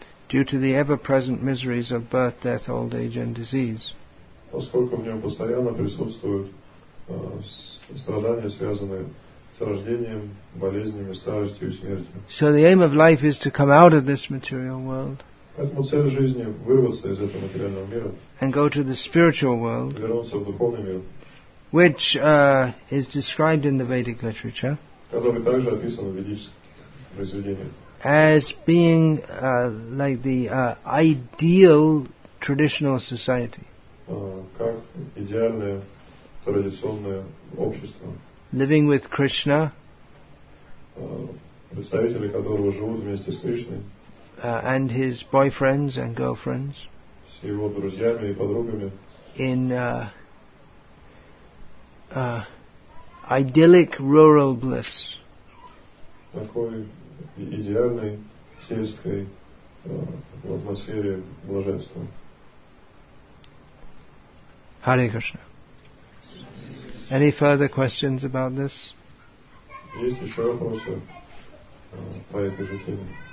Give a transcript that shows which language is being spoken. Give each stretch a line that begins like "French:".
English: Due to the ever-present miseries of birth, death, old age, and disease.
Russian: Поскольку в нем постоянно присутствуют страдания, связанные с рождением, болезнями, старостью и смертью.
English: So the aim of life is to come out of this material world.
Russian: Поэтому цель жизни — вырваться из этого материального мира.
English: And go to the spiritual world.
Russian: Вернуться в духовный мир.
English: Which is described in the Vedic literature.
Russian: Который также описан в ведических произведениях.
English: As being like the ideal traditional society.
Russian: Как идеальное традиционное общество.
English: Living with Krishna.
Russian: Представители которого живут вместе с Кришной.
English: And his boyfriends and girlfriends.
Russian: С его друзьями и подругами.
English: In idyllic rural bliss.
Russian: Такой идеальной сельской в атмосфере блаженства.
English: Hare Krishna. Any further questions about this?
Russian: Есть еще вопросы по этой же теме?